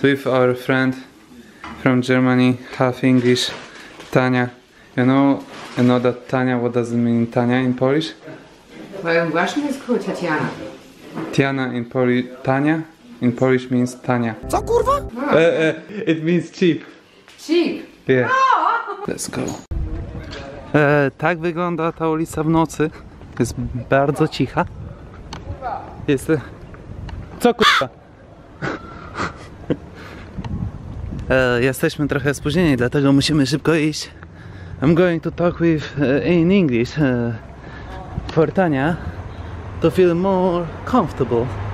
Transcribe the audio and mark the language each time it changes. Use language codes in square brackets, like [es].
[en] With our friend from Germany, half English, Tania. You know that Tania, what does it mean Tania in Polish? [pl] Właśnie jest kurwa Tatiana. [en] Tiana in Polish, Tania? In Polish means Tania. [pl] Co kurwa? [en] It means cheap. Cheap. Yeah. Let's go. [pl] Tak wygląda ta ulica w nocy. Jest bardzo cicha. Jest... Co kurwa? Jesteśmy trochę spóźnieni, dlatego musimy szybko iść. [en] I'm going to talk with in English. For Tania. To feel more comfortable.